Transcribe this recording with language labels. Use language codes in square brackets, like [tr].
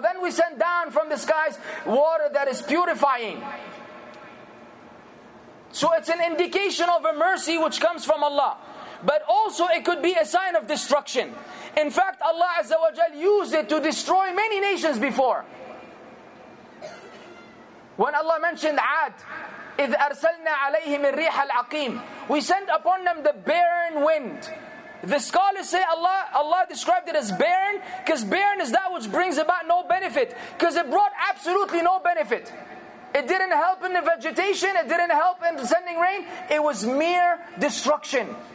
[en] Then we send down from the skies water that is purifying. So it's an indication of a mercy which comes from Allah. But also it could be a sign of destruction. In fact, Allah Azza wa Jal used it to destroy many nations before. When Allah mentioned Ad, [ar] إِذْ أَرْسَلْنَا عَلَيْهِمِ الرِّيحَ الْعَقِيمِ. [en] We send upon them the barren wind. The scholars say Allah described it as barren, because barren is that which brings about no benefit, because it brought absolutely no benefit. It didn't help in the vegetation, it didn't help in sending rain, it was mere destruction.